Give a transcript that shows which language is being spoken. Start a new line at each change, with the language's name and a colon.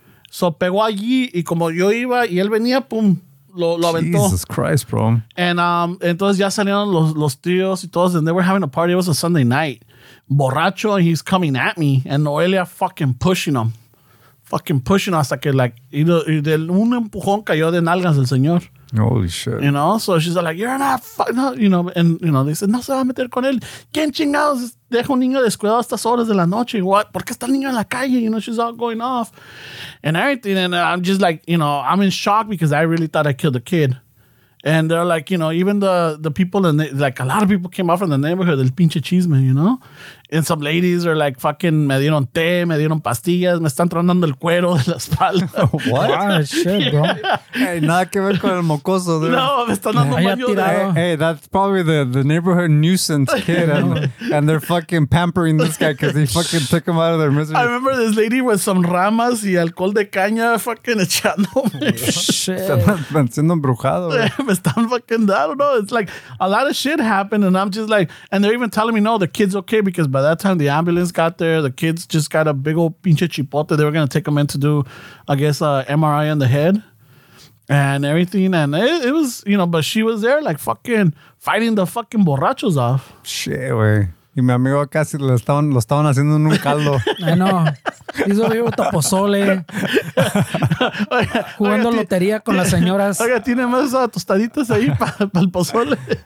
Spanish: So pegó allí y como yo iba y él venía, pum, lo aventó.
English: Jesus Christ, bro. And
Spanish: entonces ya salieron los tíos y todos
English: and they were having a party. It was a Sunday night.
Spanish: Borracho,
English: and he's coming at me and Noelia fucking pushing him
Spanish: hasta que like y de un empujón cayó de nalgas el señor.
English: Holy shit. You know, so she's like, you're not fucking, no, you know, and you know, they said,
Spanish: no se va a meter con él. ¿Quién chingados deja un niño descuidado a estas horas de la noche? What? ¿Por qué está el niño en la calle?
English: You know, she's all going off and everything. And I'm just like, you know, I'm in shock because I really thought I killed a kid. And they're like, you know, even the people in the, like a lot of people came out from the neighborhood,
Spanish: el pinche chisme,
English: you know? And some ladies are like, fucking,
Spanish: me dieron té, me dieron pastillas, me están tronando el cuero de la espalda.
English: What? Ah, wow, shit, bro. Yeah.
Spanish: Hey, nada que ver con el mocoso, dude. No, me están dando un baño de...
English: Hey, that's probably the neighborhood nuisance kid, and they're fucking pampering this guy because he fucking took him out of their misery. I remember this lady with some
Spanish: ramas y alcohol de caña
English: fucking echando.
Spanish: Shit. Me están embrujado. Me están
English: fucking, I don't know. It's like, a lot of shit happened, and I'm just like, and they're even telling me, no, the kid's okay because by that time, the ambulance got there. The kids just got a big old
Spanish: pinche chipote.
English: They were going to take them in to do, I guess, MRI on the head and everything. And it was, you know, but she was there like fucking fighting the fucking borrachos off. Shit, güey.
Spanish: Y mi amigo casi lo estaban haciendo en un caldo.
English: I know. He's over here with the pozole.
Spanish: Jugando lotería con las señoras. Oiga, tiene más tostaditas ahí para el pozole.